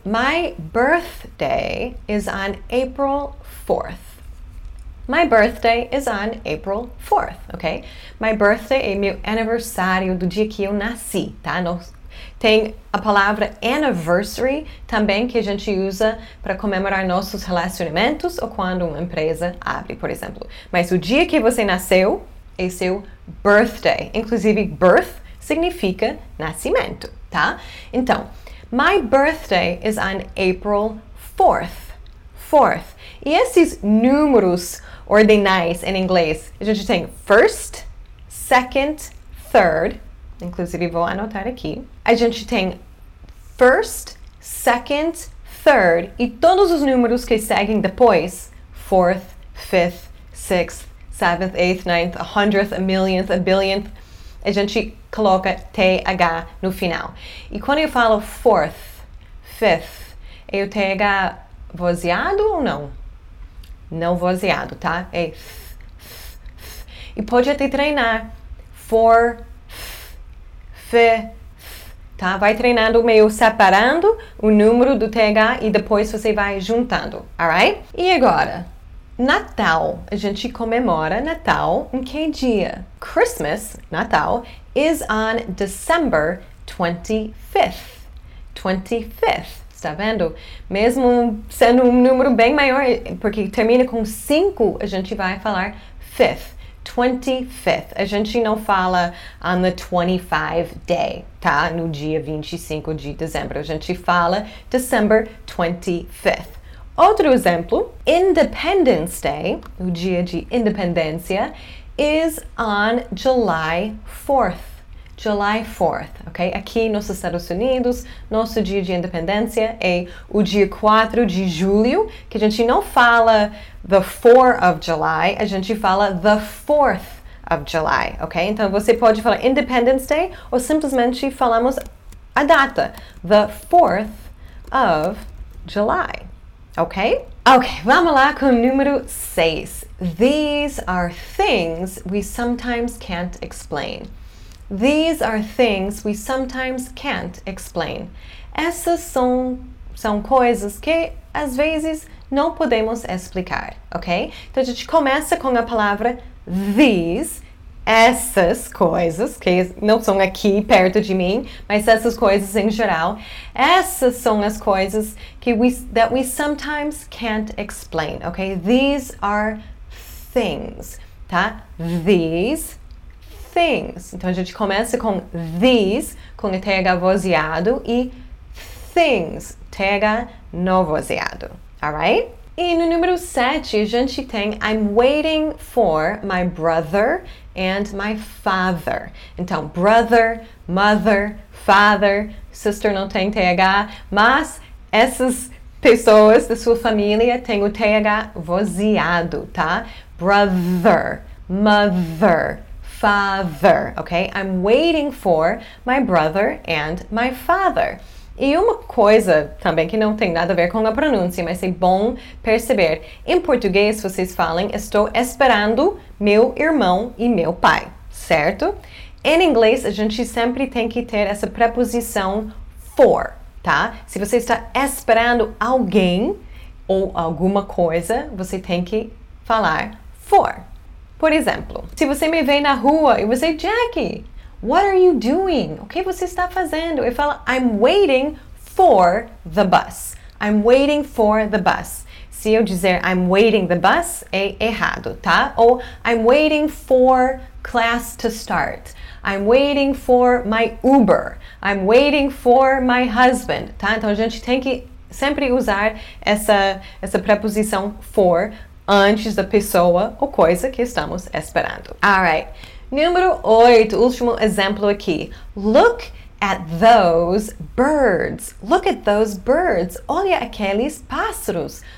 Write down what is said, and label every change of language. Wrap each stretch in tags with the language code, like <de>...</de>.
<en>My birthday is on April 4th. My birthday is on April 4th, ok? My birthday</en> <pt>é meu aniversário do dia que eu nasci, tá? Tem a palavra anniversary também que a gente usa para comemorar nossos relacionamentos ou quando uma empresa abre, por exemplo. Mas o dia que você nasceu é seu birthday. Inclusive, birth significa nascimento. Tá? Então,</pt> <en>my birthday is on April 4th.</en> <pt>E esses números ordinais em inglês, a gente tem first, second, third. Inclusive, vou anotar aqui. A gente tem first, second, third. E todos os números que seguem depois, fourth, fifth, sixth, seventh, eighth, ninth, a hundredth, a millionth, a billionth, a gente coloca TH no final. E quando eu falo fourth, fifth, é o TH vozeado ou não? Não vozeado, tá? É th, th, th. E pode até treinar fourth, fifth, tá? Vai treinando meio separando o número do TH e depois você vai juntando, alright? E agora? Natal. A gente comemora Natal em que dia?</pt> <en>Christmas, Natal, is on December 25th.</en> <pt>25th. Está vendo? Mesmo sendo número bem maior, porque termina com 5, a gente vai falar 5th. 25th. A gente não fala</pt> <en>on the 25th day,</en> <pt>tá? No dia 25 de dezembro. A gente fala December 25th. Outro exemplo, Independence Day, o dia de independência, is on July 4th. July 4th, ok? Aqui nos Estados Unidos, nosso dia de independência é o dia 4 de julho, que a gente não fala</pt> <en>the 4th of July,</en> <pt>a gente fala the 4th of July, ok? Então você pode falar Independence Day ou simplesmente falamos a data,</pt> <en>the 4th of July.</en> <pt>Ok? Ok, vamos lá com número 6.</pt> <en>These are things we sometimes can't explain. These are things we sometimes can't explain.</en> <pt>Essas são coisas que, às vezes, não podemos explicar, ok? Então, a gente começa com a palavra these, essas coisas, que não são aqui perto de mim, mas essas coisas em geral, essas são as coisas que</pt> <en>that we sometimes can't explain, okay? These are things, tá? These things.</en> <pt>Então a gente começa com these, com TH vozeado, e things, TH não vozeado, alright? E no número 7, a gente tem</pt> <en>I'm waiting for my brother and my father.</en> <pt>Então, brother, mother, father, sister não tem TH, mas essas pessoas da sua família têm o TH vozeado, tá?</pt> <en>Brother, mother, father, ok? I'm waiting for my brother and my father.</en> <pt>E uma coisa também que não tem nada a ver com a pronúncia, mas é bom perceber. Em português, vocês falam, estou esperando meu irmão e meu pai, certo? Em inglês, a gente sempre tem que ter essa preposição for, tá? Se você está esperando alguém ou alguma coisa, você tem que falar for. Por exemplo, se você me vê na rua e você, Jackie,</pt> <en>what are you doing?</en> <pt>O que você está fazendo? Eu falo,</pt> <en>I'm waiting for the bus. I'm waiting for the bus.</en> <pt>Se eu dizer</pt> <en>I'm waiting the bus,</en> <pt>é errado, tá?</pt> <en>Ou I'm waiting for class to start. I'm waiting for my Uber. I'm waiting for my husband, tá?</en> <pt>Então a gente tem que sempre usar essa preposição for antes da pessoa ou coisa que estamos esperando. All right. Número 8, último exemplo aqui.</pt> <en>Look at those birds. Look at those birds.</en> <pt>Olha aqueles pássaros.</pt>